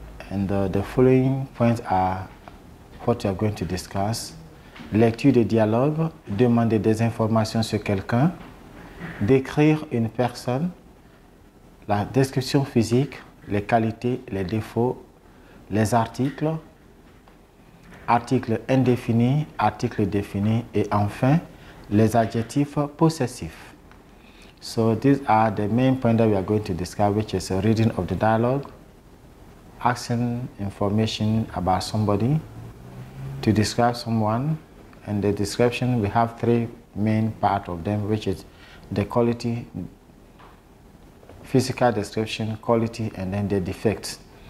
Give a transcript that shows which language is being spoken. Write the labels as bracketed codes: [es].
[en] And the following points are what we are going to discuss. [fr] Lecture de dialogue, demander des informations sur quelqu'un, décrire une personne, la description physique, les qualités, les défauts, les articles, articles indéfinis, articles définis, et enfin, les adjectifs possessifs. [en] So these are the main points that we are going to discuss, which is a reading of the dialogue, asking information about somebody, to describe someone, and the description, we have three main parts of them, which is the quality, physical description, quality, and then the defects.